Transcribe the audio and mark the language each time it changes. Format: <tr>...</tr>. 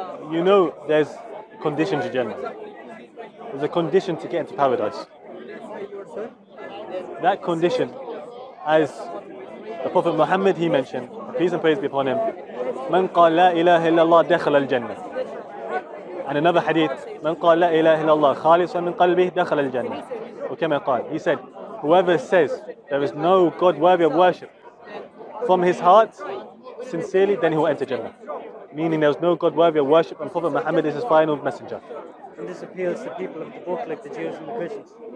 <en>You know there's a condition to Jannah. There's a condition to get into paradise. That condition, as the Prophet Muhammad, he mentioned, peace and praise be upon him,</en> <ar>من قال لا إله إلا الله دخل الجنة.</ar> <en>And another hadith,</en> <ar>من قال لا إله إلا الله خالصا من قلبه دخل الجنة. وكما قال,</ar> <en>he said, whoever says there is no God worthy of worship from his heart, sincerely, then he will enter Jannah. Meaning there's no God worthy of worship and Prophet Muhammad is his final messenger. And this appeals to people of the book, like the Jews and the Christians.</en>